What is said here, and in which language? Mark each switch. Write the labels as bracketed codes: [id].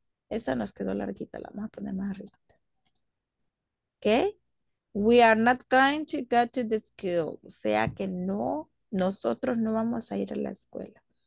[es] Esa nos quedó larguita, la vamos a poner más arriba. Okay. [en] We are not going to go to the school. [es] O sea que no, nosotros no vamos a ir a la escuela.